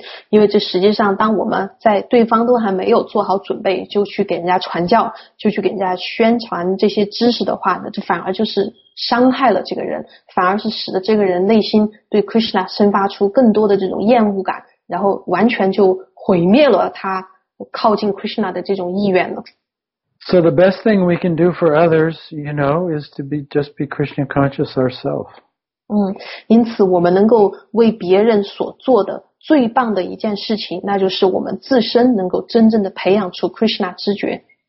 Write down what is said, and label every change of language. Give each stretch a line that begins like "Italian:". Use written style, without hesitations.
Chinese: 因为这实际上当我们在对方都还没有做好准备就去给人家传教，就去给人家宣传这些知识的话呢，这反而就是伤害了这个人，反而是使得这个人内心对 Krishna 生发出更多的这种厌恶感，然后完全就毁灭了他靠近 Krishna 的这种意愿了。
English: So the best thing we can do for others, you know, is to be just be Krishna conscious ourselves.
Chinese: 因此我们能够为别人所做的最棒的一件事情，那就是我们自身能够真正的培养出 Krishna 知觉。